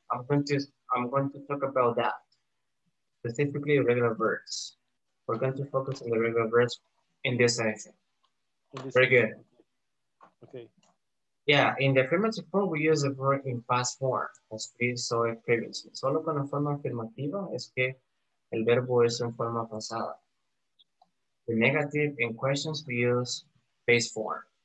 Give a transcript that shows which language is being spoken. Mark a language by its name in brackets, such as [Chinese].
[English] I'm going to talk about that. Specifically regular verbs. We're going to focus on the regular verbs in this section. Very good. Okay. Yeah, in the affirmative form, we use the verb in past form, as we saw it previously. [Spanish] Solo con la forma afirmativa es que el verbo es en forma pasada. [English] The negative in questions, we use base form.